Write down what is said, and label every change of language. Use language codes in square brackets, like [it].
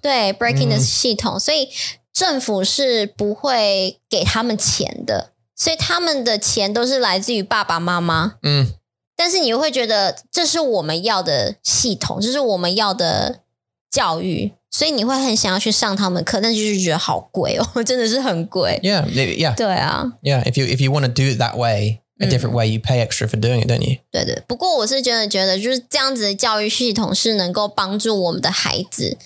[zh] 对 breaking the 系统、mm. 所以政府是不会给他们钱的，所以他们的钱都是来自于爸爸妈妈。嗯、mm. 但是你会觉得这是我们要的系统，这是我们要的教育，所以你会很想要去上他们课，但就是觉得好贵哦，真的是很贵。 [en] Yeah. [zh] 对啊。 [en] Yeah, if you want to do it that way,A different way, you pay extra for doing it, don't you? [zh] 对对，不过我是觉得就是这样子的教育系统是能够帮助我们的孩子、